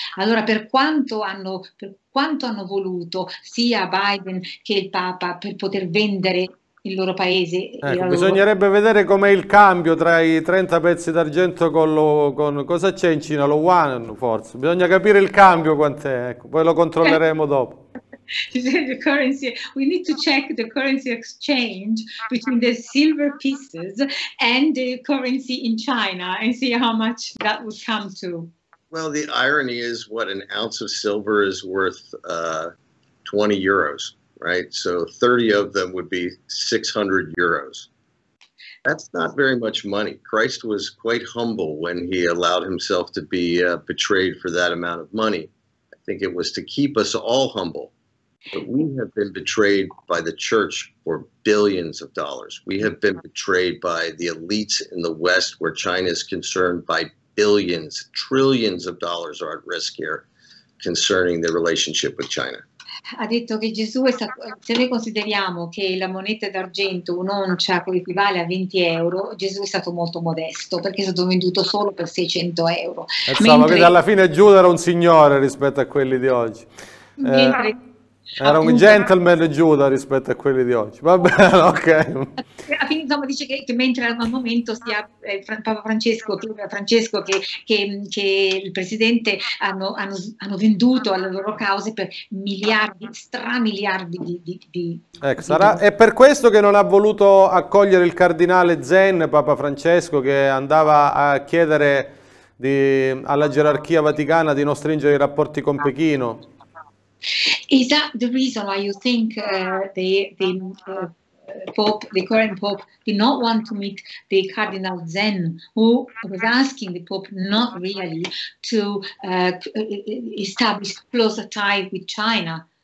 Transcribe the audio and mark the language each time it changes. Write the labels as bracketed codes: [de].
[it] Allora, per quanto hanno voluto sia Biden che il Papa per poter vendere il loro paese. Ecco, bisognerebbe vedere com'è il cambio tra i 30 pezzi d'argento con cosa c'è in Cina, lo yuan forse, bisogna capire il cambio quant'è, ecco, poi lo controlleremo dopo. [en] The currency. We need to check the currency exchange between the silver pieces and the currency in China and see how much that would come to. Well, the irony is what an ounce of silver is worth 20 euros. Right, so 30 of them would be 600 euros. That's not very much money. Christ was quite humble when he allowed himself to be betrayed for that amount of money. I think it was to keep us all humble. But we have been betrayed by the church for billions of dollars. We have been betrayed by the elites in the West, where China is concerned, by billions, trillions of dollars are at risk here concerning the relationship with China. [it] Ha detto che Gesù è stato, se noi consideriamo che la moneta d'argento, un'oncia, equivale a 20 euro, Gesù è stato molto modesto perché è stato venduto solo per 600 euro. Insomma, mentre, alla fine Giuda era un signore rispetto a quelli di oggi. Era un gentleman Giuda rispetto a quelli di oggi. Va bene, ok. Quindi insomma dice che mentre al momento sia Papa Francesco, che il Presidente hanno venduto alle loro cause per miliardi, stramiliardi di ecco, sarà, è per questo che non ha voluto accogliere il Cardinale Zen, Papa Francesco, che andava a chiedere alla gerarchia vaticana di non stringere i rapporti con Pechino. [en] Is that the reason why you think the current Pope did not want to meet the Cardinal Zen, who was asking the Pope not really to establish closer tie with China?